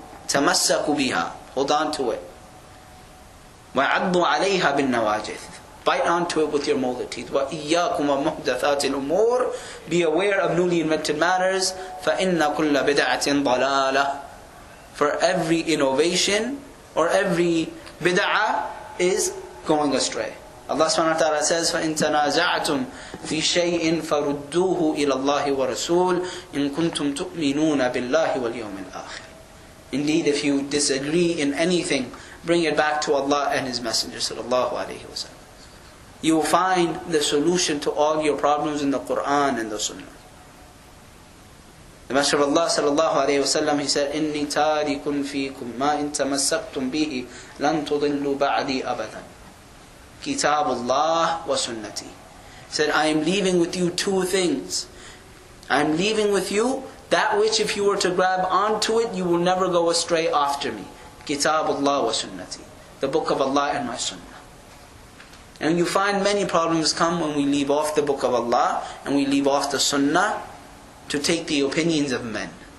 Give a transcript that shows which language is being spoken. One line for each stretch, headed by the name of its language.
Arabic: تَمَسَّكُ بِهَا.
English: Hold on to it.
Arabic: وَعَضُّ عَلَيْهَا بِالنَّوَاجِثِ.
English: Bite onto it with your molar teeth.
Arabic: وَإِيَّاكُمْ وَمُحْدَثَاتِ الْأُمُورِ.
English: Be aware of newly invented matters.
Arabic: فَإِنَّ كُلَّ بِدَعَةٍ ضَلَالَةٍ.
English: For every innovation or every bid'ah is going astray. Allah subhanahu wa ta'ala says,
Arabic: فَإِنْ تَنَازَعْتُمْ فِي شَيْءٍ فَرُدُّوهُ إِلَى اللَّهِ وَرَسُولِ إِن كُنْتُمْ تُؤْمِنُونَ بِاللَّهِ وَالْيَوْمِ الْآخِرِ.
English: Indeed, if you disagree in anything, bring it back to Allah and His Messenger sallallahu alayhi wa sallam. You will find the solution to all your problems in the Qur'an and the Sunnah. The Messenger of Allah sallallahu alayhi wa sallam, he said,
Arabic: إِنِّي تَارِكٌ فِيكُمْ مَا إِن تَمَسَّقْتُمْ بِهِ لَن تُضِلُّ بَعْدِي أَبَدًا. كتاب الله وسنتي.
English: He said, I am leaving with you two things. I am leaving with you that which if you were to grab onto it, you will never go astray after me.
Arabic: كتاب الله وسنتي.
English: The book of Allah and my sunnah. And you find many problems come when we leave off the book of Allah and we leave off the sunnah to take the opinions of men.